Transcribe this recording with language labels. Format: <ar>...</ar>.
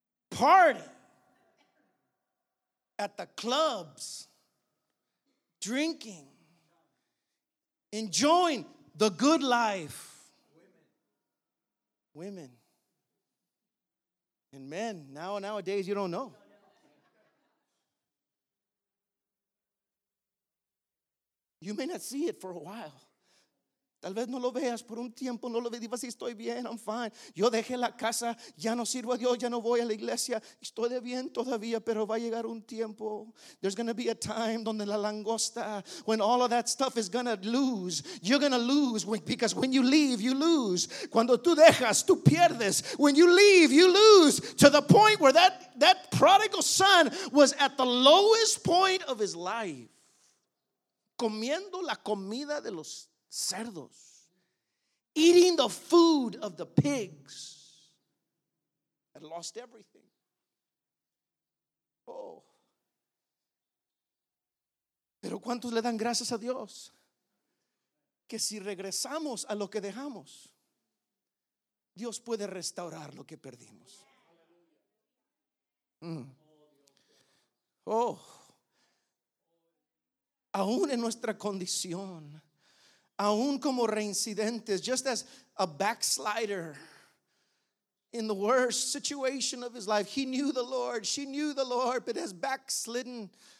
<en>Party at the clubs, drinking, enjoying the good life. Women. And men. Nowadays you don't know. You may not see it for a while.</en> <es>Tal vez no lo veas por un tiempo, no lo veas, digas, estoy bien,</es> <en>I'm fine.</en> <es>Yo dejé la casa, ya no sirvo a Dios, ya no voy a la iglesia. Estoy de bien todavía, pero va a llegar un tiempo.</es> <en>There's going to be a time</en> <es>donde la langosta,</es> <en>when all of that stuff is going to lose. You're going to lose, because when you leave, you lose.</en> <es>Cuando tú dejas, tú pierdes.</es> <en>When you leave, you lose. To the point where that prodigal son was at the lowest point of his life.</en> <es>Comiendo la comida de los cerdos,</es> <en>eating the food of the pigs, had lost everything.</en> <es>Oh, pero ¿cuántos le dan gracias a Dios que si regresamos a lo que dejamos, Dios puede restaurar lo que perdimos? Oh, aún en nuestra condición, aún como reincidentes,</es> <en>just as a backslider in the worst situation of his life, he knew the Lord, she knew the Lord, but has backslidden</en>